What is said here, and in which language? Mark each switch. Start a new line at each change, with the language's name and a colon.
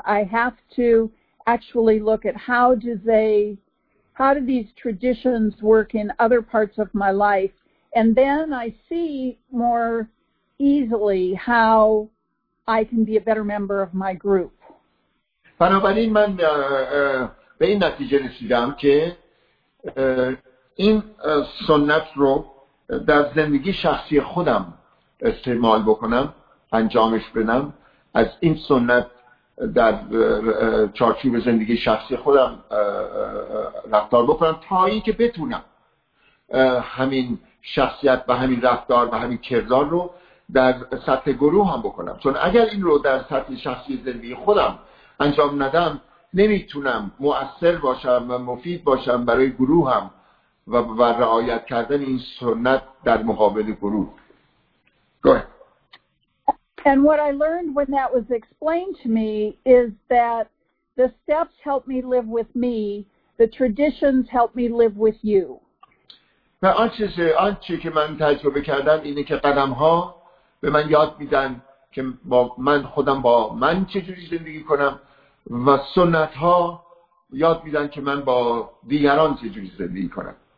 English: I have to actually look at how do these traditions work in other parts of my life? And then I see more easily how I can be a better member of my group.
Persian: بنابراین من به این نتیجه رسیدم که این سنت رو در زندگی شخصی خودم استعمال بکنم، انجامش بدم. از این سنت در چارچوب زندگی شخصی خودم رفتار بکنم تا اینکه بتونم همین شخصیت و همین رفتار و همین کردار رو در سطح گروه هم بکنم چون اگر این رو در سطح شخصی زندگی خودم انجام ندم نمیتونم مؤثر باشم و مفید باشم برای گروه هم و رعایت کردن این سنت در مقابل گروه گوه
English: And what I learned when that was explained to me is that the steps help me live with me, the traditions help me live with you.
Persian: آنچه که من تجربه کردم اینه که قدم‌ها به من یاد میدن که با من خودم با من چجوری زندگی کنم و سنت‌ها یاد میدن که من با دیگران چجوری زندگی کنم.